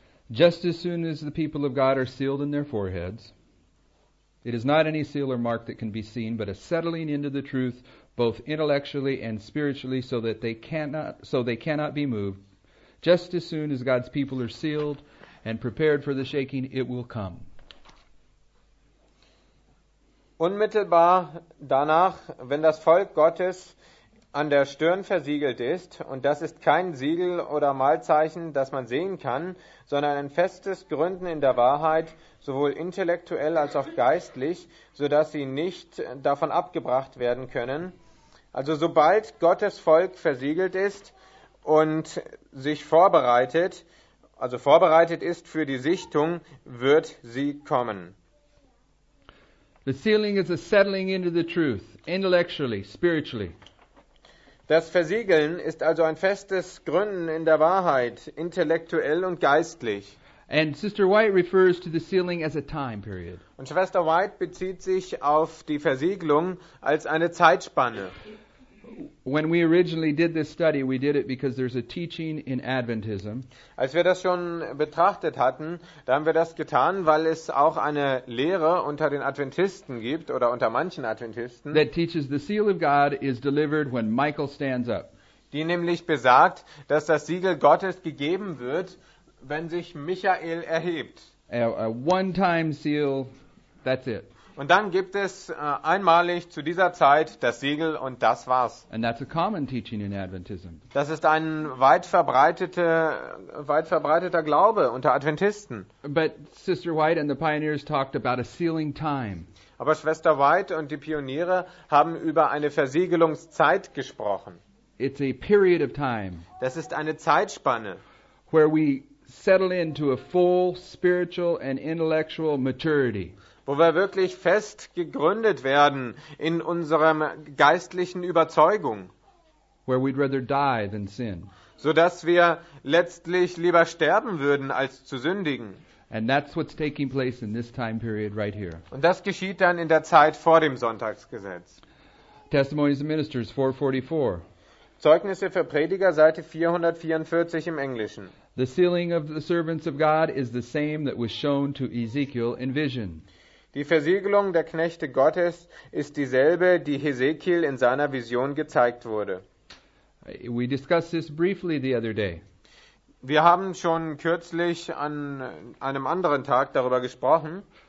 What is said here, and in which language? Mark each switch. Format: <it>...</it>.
<en>Just as soon as the people of God are sealed in their foreheads, it is not any seal or mark that can be seen, but a settling into the truth, both intellectually and spiritually, so they cannot be moved. Just as soon as God's people are sealed and prepared for the shaking, it will come.</en> <de>Unmittelbar danach, wenn das Volk Gottes an der Stirn versiegelt ist, und das ist kein Siegel oder Malzeichen, das man sehen kann, sondern ein festes Gründen in der Wahrheit, sowohl intellektuell als auch geistlich, so dass sie nicht davon abgebracht werden können. Also sobald Gottes Volk versiegelt ist und sich vorbereitet, also vorbereitet ist für die Sichtung, wird sie kommen.</de> <en>The sealing is a settling into the truth, intellectually, spiritually.</en> <de>Das Versiegeln ist also ein festes Gründen in der Wahrheit, intellektuell und geistlich.</de> <en>And Sister White refers to the sealing as a time period.</en> <de>Und Schwester White bezieht sich auf die Versiegelung als eine Zeitspanne.</de> <en>When we originally did this study, we did it because there's a teaching in Adventism.</en> <de>Als wir das schon betrachtet hatten, da haben wir das getan, weil es auch eine Lehre unter den Adventisten gibt oder unter manchen Adventisten.</de> <en>That teaches the seal of God is delivered when Michael stands up.</en> <de>Die nämlich besagt, dass das Siegel Gottes gegeben wird, wenn sich Michael erhebt.</de> <en>A one-time seal, that's it.</en> <de>Und dann gibt es einmalig zu dieser Zeit das Siegel und das war's.</de> <en>And that's a common teaching in Adventism.</en> <de>Das ist ein weit verbreiteter Glaube unter Adventisten.</de> <en>But Sister White and the pioneers talked about a sealing time.</en> <de>Aber Schwester White und die Pioniere haben über eine Versiegelungszeit gesprochen.</de> <en>It's a period of time.</en> <de>Das ist eine Zeitspanne,</de> <en>where we settle into a full spiritual and intellectual maturity.</en> <de>Wo wir wirklich fest gegründet werden in unserem geistlichen Überzeugung.</de> <en>Where we'd rather die than sin.</en> <de>Sodass wir letztlich lieber sterben würden, als zu sündigen.</de> <en>And that's what's taking place in this time period right here.</en> <de>Und das geschieht dann in der Zeit vor dem Sonntagsgesetz.</de> <en>Testimonies of Ministers 444.</en> <de>Zeugnisse für Prediger, Seite 444 im Englischen.</de> <en>The sealing of the servants of God is the same that was shown to Ezekiel in vision.</en> <de>Die Versiegelung der Knechte Gottes ist dieselbe, die Hesekiel in seiner Vision gezeigt wurde.</de> <en>We discussed this briefly the other day.</en> <de>Wir haben schon kürzlich an einem anderen Tag darüber gesprochen.</de>